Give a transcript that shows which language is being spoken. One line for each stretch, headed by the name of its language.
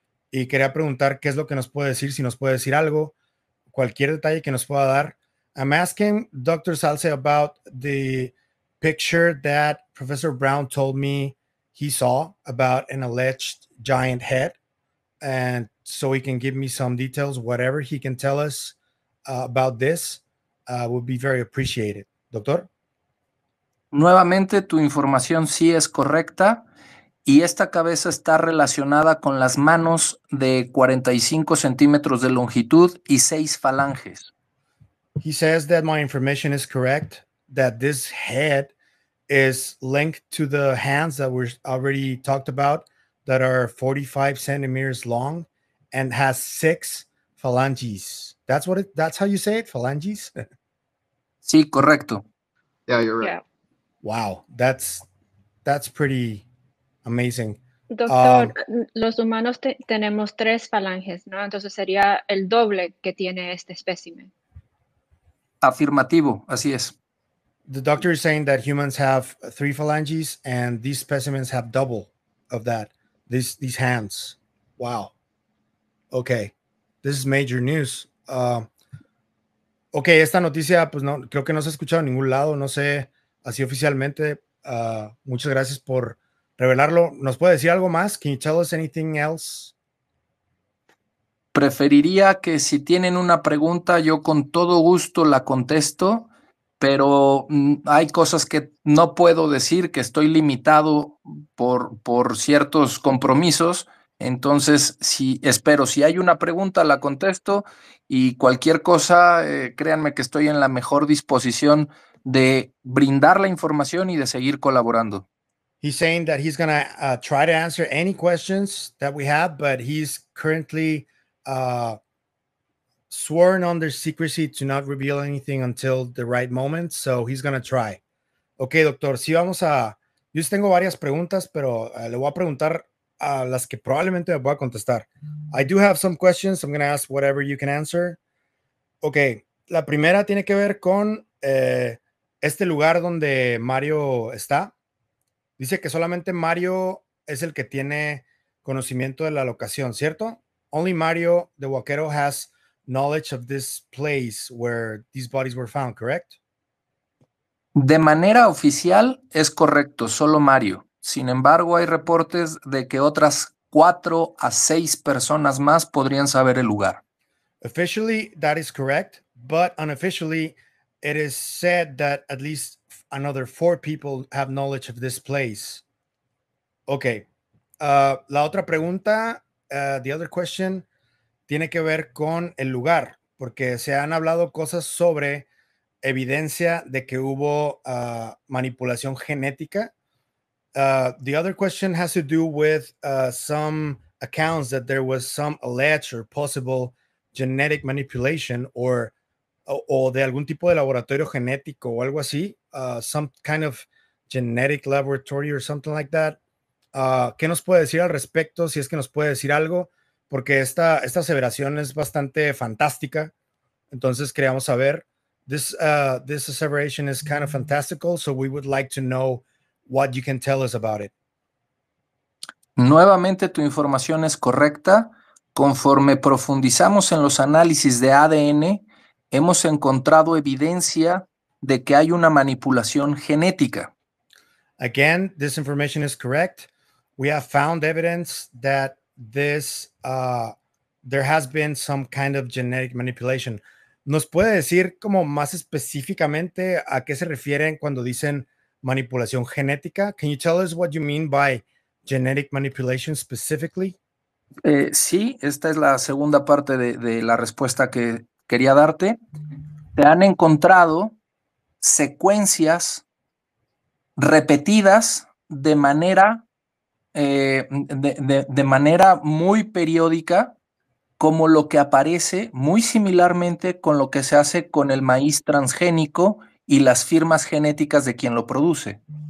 Spanish: Y quería preguntar qué es lo que nos puede decir, si nos puede decir algo, cualquier detalle que nos pueda dar.
English: I'm asking Dr. Salce about the picture that Professor Brown told me he saw about an alleged giant head. And so he can give me some details, whatever he can tell us about this would be very appreciated. Doctor?
Spanish: Nuevamente, tu información sí es correcta. Y esta cabeza está relacionada con las manos de 45 centímetros de longitud y 6 falanges.
English: He says that my information is correct, that this head is linked to the hands that we already talked about that are 45 centimeters long and has 6 phalanges. That's what it, that's how you say it, phalanges?
Spanish: Sí, correcto.
English: Yeah, you're right. Yeah. Wow, that's pretty amazing.
Spanish: Doctor, los humanos tenemos 3 falanges, ¿no? Entonces sería el doble que tiene este espécimen. Afirmativo, así es.
English: The doctor is saying that humans have 3 phalanges and these specimens have double of that, these hands. Wow. Okay. This is major news.
Spanish: Okay, esta noticia, pues no, creo que no se ha escuchado en ningún lado, no sé, así oficialmente. Muchas gracias por revelarlo. ¿Nos puede decir algo más?
English: Can you tell us anything else?
Spanish: Preferiría que si tienen una pregunta, yo con todo gusto la contesto, pero hay cosas que no puedo decir, que estoy limitado por ciertos compromisos. Entonces, si hay una pregunta, la contesto, y cualquier cosa, créanme que estoy en la mejor disposición de brindar la información y de seguir colaborando.
English: He's saying that he's going to try to answer any questions that we have, but he's currently sworn under secrecy to not reveal anything until the right moment, so he's going to try.
Spanish: Okay, doctor, sí, vamos a... Yo tengo varias preguntas, pero le voy a preguntar a las que probablemente me voy a contestar.
English: I do have some questions. I'm going to ask whatever you can answer.
Spanish: Okay, la primera tiene que ver con este lugar donde Mario está. Dice que solamente Mario es el que tiene conocimiento de la locación, ¿cierto?
English: Only Mario the Vaquero has knowledge of this place where these bodies were found, correct?
Spanish: De manera oficial es correcto, solo Mario. Sin embargo, hay reportes de que otras 4 a 6 personas más podrían saber el lugar.
English: Officially, that is correct, but unofficially, it is said that at least another 4 people have knowledge of this place.
Spanish: Okay. La otra pregunta,
English: the other question,
Spanish: tiene que ver con el lugar, porque se han hablado cosas sobre evidencia de que hubo manipulación genética.
English: The other question has to do with some accounts that there was some alleged or possible genetic manipulation
Spanish: o de algún tipo de laboratorio genético o algo así,
English: some kind of genetic laboratory or something like that.
Spanish: ¿Qué nos puede decir al respecto, si es que nos puede decir algo? Porque esta aseveración es bastante fantástica, entonces queríamos saber.
English: This aseveration is kind of fantastical, so we would like to know what you can tell us about it.
Spanish: Nuevamente, tu información es correcta. Conforme profundizamos en los análisis de ADN, hemos encontrado evidencia de que hay una manipulación genética.
English: Again, this information is correct. We have found evidence that there has been some kind of genetic manipulation.
Spanish: ¿Nos puede decir como más específicamente a qué se refieren cuando dicen manipulación genética?
English: Can you tell us what you mean by genetic manipulation specifically?
Spanish: Sí, esta es la segunda parte de la respuesta que quería darte. Se han encontrado secuencias repetidas de manera muy periódica, como lo que aparece muy similarmente con lo que se hace con el maíz transgénico y las firmas genéticas de quien lo produce.